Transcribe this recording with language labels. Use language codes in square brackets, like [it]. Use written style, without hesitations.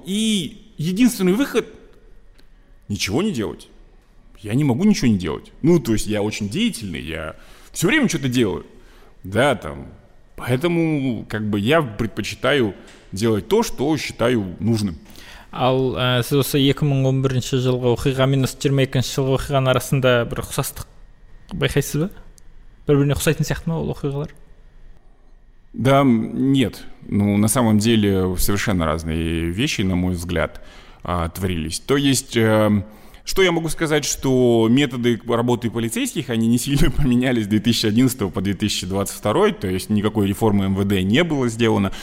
[ru] И единственный выход – ничего не делать. Я не могу ничего не делать. Ну, то есть, я очень деятельный, я все время что-то делаю. Да, там. Поэтому, как бы, я предпочитаю делать то, что считаю нужным. [kk] Ал, сіз осы 2011 жылғы оқиға минус 22 жылғы оқиған арасында бір құсастық байқайсыз ба? Бір-біріне құсайтын сияқты ма ол оқиғалар? [ru] Да, нет. Ну, на самом деле, совершенно разные вещи, на мой взгляд, творились. То есть, что я могу сказать, что методы работы полицейских, они не сильно поменялись с 2011 по 2022, то есть никакой реформы МВД не было сделано.